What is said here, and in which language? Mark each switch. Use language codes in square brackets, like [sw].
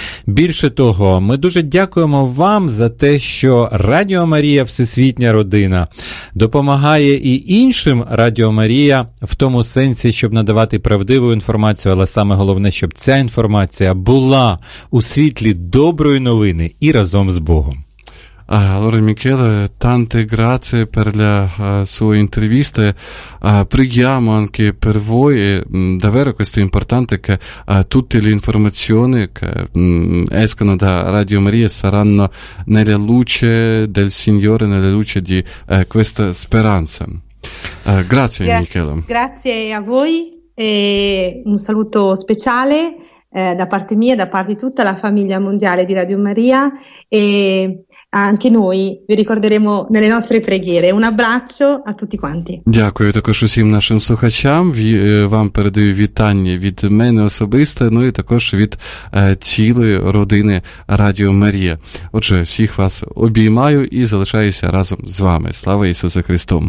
[uk] Більше того, ми дуже дякуємо вам за те, що Радіо Марія – всесвітня родина. Допомагає і іншим Радіо Марія в тому сенсі, щоб надавати правдиву інформацію, але саме головне, щоб ця інформація була у світлі доброї новини і разом з Богом. [it] Allora Michele, tante grazie per la sua intervista. Preghiamo anche per voi, davvero questo è importante, che tutte le informazioni che escono da Radio Maria saranno nella luce del Signore, nella luce di questa speranza. Grazie, grazie Michele. Grazie a voi e un saluto speciale da parte mia, da parte di tutta la famiglia mondiale di Radio Maria e anche noi vi ricorderemo nelle nostre preghiere. Un abbraccio a tutti quanti. [uk] Дякую також усім нашим слухачам. Вам передаю вітання від мене особисто, ну і також від цілої родини Радіо Марія. Отже, всіх вас обіймаю і залишаюся разом з вами. Слава Ісусу Христу!